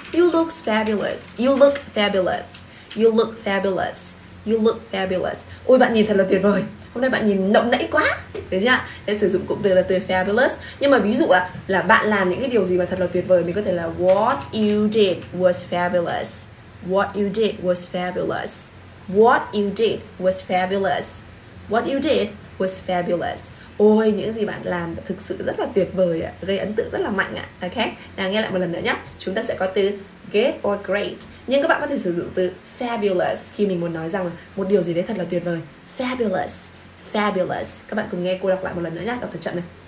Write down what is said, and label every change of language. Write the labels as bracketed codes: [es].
[en] You look fabulous. You look fabulous. You look fabulous. You look fabulous. [vi] Ôi bạn nhìn thật là tuyệt vời. Hôm nay bạn nhìn lộng lẫy quá. Được chưa? Để sử dụng cụm từ là từ fabulous. Nhưng mà ví dụ là bạn làm những cái điều gì mà thật là tuyệt vời, mình có thể là [en] what you did was fabulous. [vi] What you did was fabulous. [en] What you did was fabulous. What you did was fabulous. [vi] Ôi, những gì bạn làm thực sự rất là tuyệt vời ạ, gây ấn tượng rất là mạnh ạ. Ok, nào nghe lại một lần nữa nhé. Chúng ta sẽ có từ good or great, nhưng các bạn có thể sử dụng từ fabulous khi mình muốn nói rằng một điều gì đấy thật là tuyệt vời. Fabulous, fabulous. Các bạn cùng nghe cô đọc lại một lần nữa nhé, đọc thật chậm này.